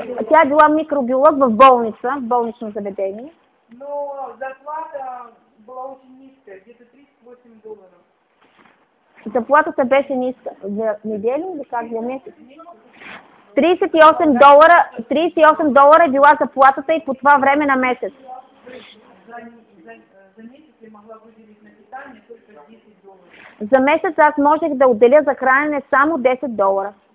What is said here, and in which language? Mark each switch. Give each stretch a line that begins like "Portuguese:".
Bulgarian: Тя е била микробиолог в болница, в болнично заведение.
Russian: Но зарплата была очень низкая, где-то 38 долларов.
Bulgarian: Заплатата беше ниска. За неделя или как? За месец? 38 долара е била заплатата и по това време на месец.
Russian: За месец я могла выделить на питание только 10 долара.
Bulgarian: За месец аз можех да отделя за хранене само 10 долара.